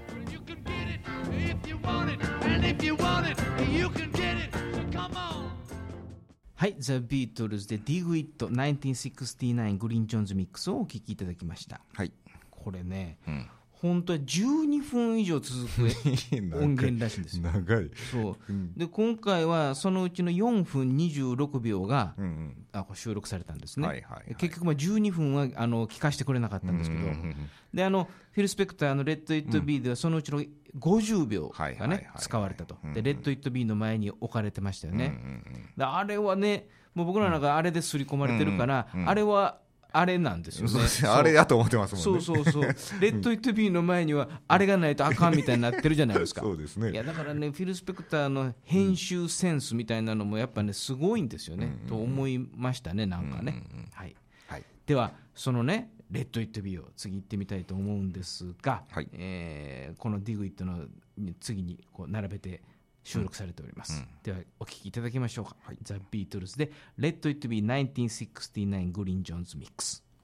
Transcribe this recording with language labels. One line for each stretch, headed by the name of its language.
English: You can get it if you want it, and if you want it you can get it, so come on。
Japanese: はい、ザ・ビートルズで Dig It 1969 グリーン・ジョーンズミックスをお聴きいただきました。はい、これね、うん、本当は12分以上続く音源らしいんですよ。長い。そう、うん、で今回はそのうちの4分26秒が、うんうん、収録されたんですね、はいはいはい、結局まあ12分は聞かせてくれなかったんですけど、うんうんうんうん、でフィル・スペクターのレッド・イット・ビーではそのうちの50秒がね、うん、使われたと、はいはいはい、でレッド・イット・ビーの前に置かれてましたよね、うんうんうん、であれはね、もう僕らなんかあれで刷り込まれてるから、うんうんうん、あれはあれなんですよね。あれやと思ってますもんね。そうそうそう。レッド・イット・ビーの前にはあれがないとあかんみたいになってるじゃないですか。そうですね。いやだからね、フィル・スペクターの編集センスみたいなのもやっぱねすごいんですよね、うんうん、と思いましたね、なんかね、うんうん、はいはい、ではそのねレッド・イット・ビーを次行ってみたいと思うんですが、はい、このディグ・イットの次にこう並べて収録されております、うん、ではお聞きいただきましょうか、はい、ザ・ビートルズで Let It Be 1969 Green Jones Mix。